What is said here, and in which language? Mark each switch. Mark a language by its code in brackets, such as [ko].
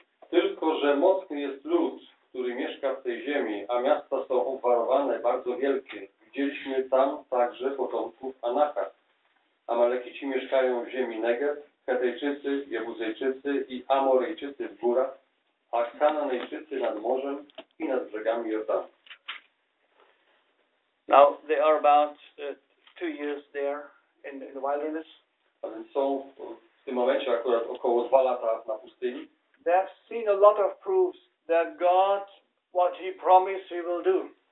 [pl] Tylko że mocny jest lud, który mieszka w tej ziemi, a miasta są obwarowane, bardzo wielkie. Widzieliśmy tam także potomków Anaka. Amalekici mieszkają w ziemi Negev, Chetejczycy, Jebuzejczycy i Amorejczycy w górach, a Kananejczycy nad morzem i nad brzegami Jordanu. [en] Now they are about 2 years there in the wilderness. [pl] A więc są w tym momencie akurat około 2 lata na pustyni. [en] They have seen a lot of proofs that God, what He promised, He will do.